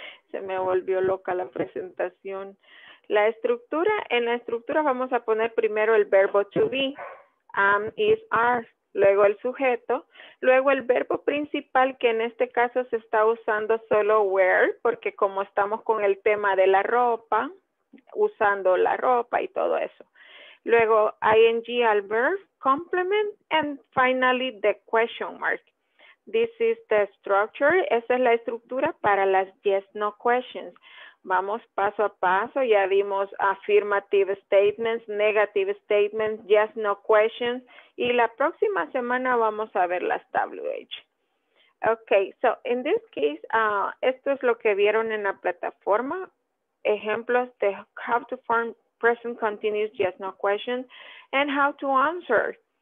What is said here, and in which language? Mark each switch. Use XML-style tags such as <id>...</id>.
<es>Se me volvió loca la presentación. La estructura, en la estructura vamos a poner primero el verbo to be. Am, is, are. Luego el sujeto, luego el verbo principal, que en este caso se está usando solo wear, porque como estamos con el tema de la ropa, usando la ropa y todo eso. Luego ing al</es> <en>verb, complement, and finally the question mark. This is the structure,</en> <es>esa es la estructura para las</es> <en>yes, no questions.</en> <es>Vamos paso a paso, ya vimos</es> <en>affirmative statements, negative statements, yes, no questions.</en> <es>Y la próxima semana vamos a ver las WH.</es> <en>Okay, so in this case,</en> <es>esto es lo que vieron en la plataforma. Ejemplos de</es> <en>how to form present continuous yes, no questions and how to answer.</en>